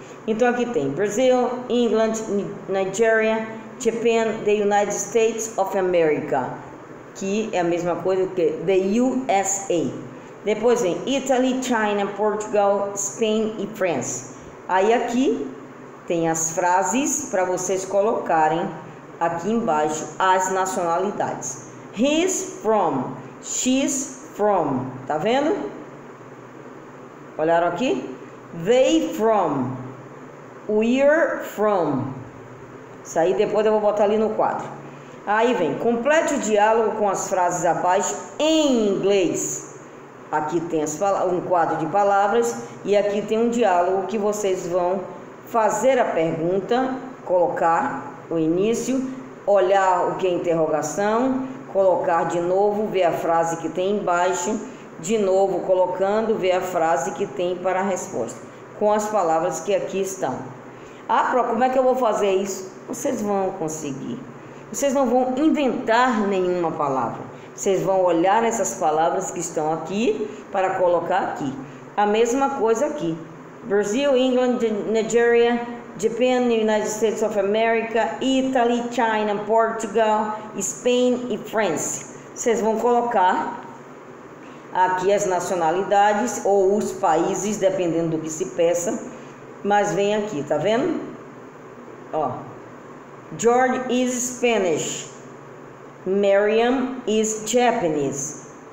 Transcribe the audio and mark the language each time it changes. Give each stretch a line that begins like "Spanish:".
Portuguese: Então aqui tem Brasil, England, Nigeria, Japan, the United States of America, que é a mesma coisa que the USA. Depois vem Italy, China, Portugal, Spain e France. Aí aqui tem as frases para vocês colocarem aqui embaixo as nacionalidades.
English: He's from, she's from,
Portuguese: tá vendo? Olharam aqui?
English: They from, we're from.
Portuguese: Isso aí depois eu vou botar ali no quadro. Aí vem, complete o diálogo com as frases abaixo em inglês. Aqui tem um quadro de palavras e aqui tem um diálogo que vocês vão fazer a pergunta, colocar o início, olhar o que é interrogação, colocar de novo, ver a frase que tem embaixo, de novo colocando, ver a frase que tem para a resposta, com as palavras que aqui estão. Ah, pro, como é que eu vou fazer isso? Vocês vão conseguir. Vocês não vão inventar nenhuma palavra. Vocês vão olhar essas palavras que estão aqui para colocar aqui. A mesma coisa aqui. Brazil, England, Nigeria, Japan, United States of America, Italy, China, Portugal, Spain e France. Vocês vão colocar aqui as nacionalidades ou os países, dependendo do que se peça, mas vem aqui, tá vendo?
English: Ó. George is Spanish. Miriam is Japanese.